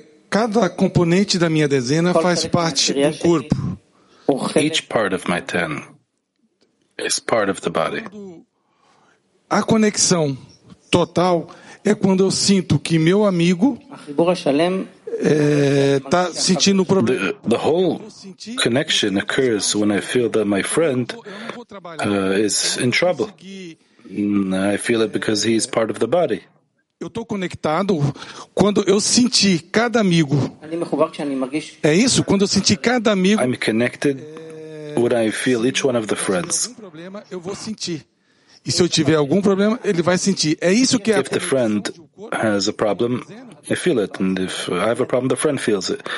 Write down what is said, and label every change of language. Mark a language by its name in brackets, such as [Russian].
[Portuguese] Cada componente da minha dezena faz parte do corpo. [English] Each part of my ten is part of the body. [Portuguese] A conexão total é quando eu sinto que meu amigo está sentindo um problema. [English] The whole connection occurs when I feel that my friend is in trouble. I feel it because he is part of the body. [Portuguese] Eu estou conectado quando eu senti cada amigo. É isso? Quando eu senti cada amigo. [English] I'm connected when I feel each one of the friends. [Portuguese] Algum problema, eu vou sentir. E se eu tiver algum problema, ele vai sentir. É isso que é. [English] If the friend has a problem, I feel it. And if I have a problem, the friend feels it.